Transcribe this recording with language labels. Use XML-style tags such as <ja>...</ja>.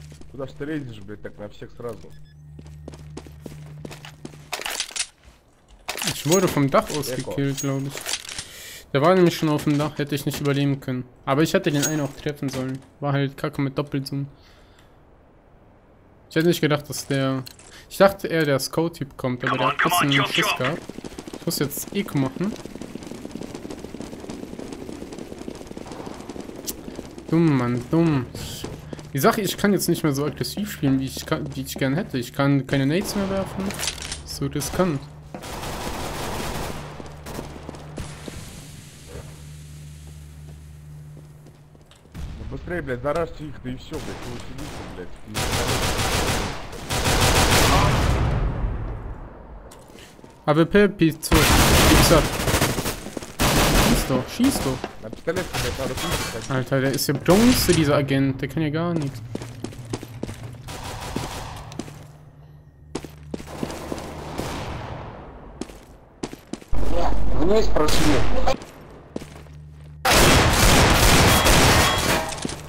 <ru>Куда ж ты лезешь, блядь, так на всех сразу?</ru> <de>Ich wurde vom Dach aus gekillt, glaube ich. Der war nämlich schon auf dem Dach, hätte ich nicht überleben können. Aber ich hätte den einen auch treffen sollen. War halt kacke mit Doppelzoom. Ich hätte nicht gedacht, dass der... Ich dachte eher, der Scout-Typ kommt, aber der hat trotzdem einen Schuss gehabt. Ich muss jetzt Eco machen. Dumm, Mann, dumm. Die Sache, ich kann jetzt nicht mehr so aggressiv spielen, wie ich gern hätte. Ich kann keine Nades mehr werfen. So riskant.</de> <ru>Быстрее, блядь, заражьте их, да и все, блядь, вы сидите, блядь. АВП 500, 500.</ru> <de>Schieß doch.</de> <ru>На пистолет, блядь, надо пушить, так.</ru> <de>Alter, der ist ja bronze, dieser Agent, der kann ja gar nichts.</de> <ru>Вниз прошли.</ru>